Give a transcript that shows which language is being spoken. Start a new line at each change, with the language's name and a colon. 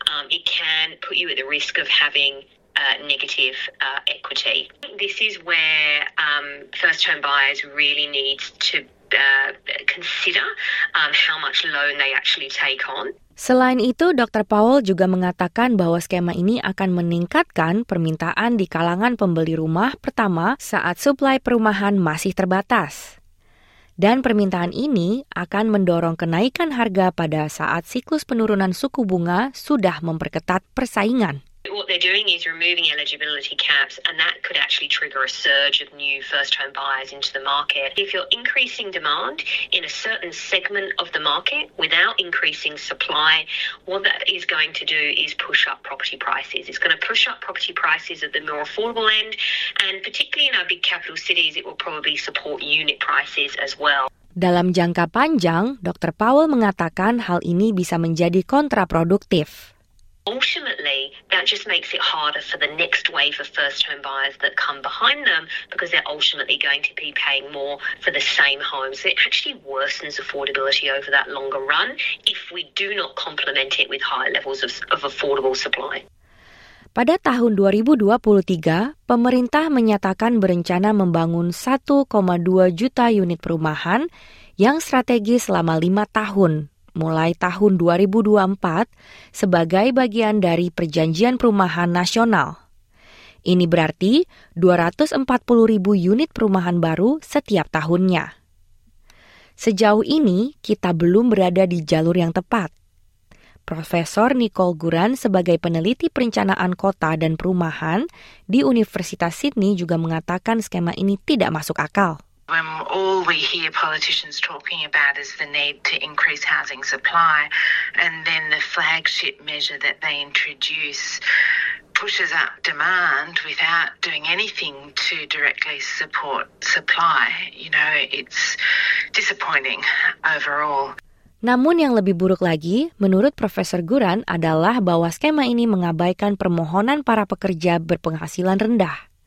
English: It can put you at the risk of having negative equity. This is where first home buyers really need to consider how much loan they actually take on.
Indonesian: Selain itu, Dr. Powell juga mengatakan bahwa skema ini akan meningkatkan permintaan di kalangan pembeli rumah pertama saat suplai perumahan masih terbatas. Dan permintaan ini akan mendorong kenaikan harga pada saat siklus penurunan suku bunga sudah memperketat persaingan.
English: What they're doing is removing eligibility caps, and that could actually trigger a surge of new first home buyers into the market. If you're increasing demand in a certain segment of the market without increasing supply, what that is going to do is push up property prices. It's going to push up property prices at the more affordable end, and particularly in our big capital cities, it will probably support unit prices as well.
Indonesian: Dalam jangka panjang, Dr. Powell mengatakan hal ini bisa menjadi kontraproduktif.
English: Ultimately, that just makes it harder for the next wave of first home buyers that come behind them, because they're ultimately going to be paying more for the same home. So it actually worsens affordability over that longer run if we do not complement it with higher levels of affordable supply.
Indonesian: Pada tahun 2023, pemerintah menyatakan berencana membangun 1,2 juta unit perumahan yang strategis selama 5 tahun mulai tahun 2024 sebagai bagian dari Perjanjian Perumahan Nasional. Ini berarti 240 ribu unit perumahan baru setiap tahunnya. Sejauh ini, kita belum berada di jalur yang tepat. Profesor Nicole Guran sebagai peneliti perencanaan kota dan perumahan di Universitas Sydney juga mengatakan skema ini tidak masuk akal.
English: When all we hear politicians talking about is the need to increase housing supply, and then the flagship measure that they introduce pushes up demand without doing anything to directly support supply, you know, it's disappointing overall.
Indonesian: Namun yang lebih buruk lagi, menurut Profesor Guran, adalah bahwa skema ini mengabaikan permohonan para pekerja berpenghasilan rendah.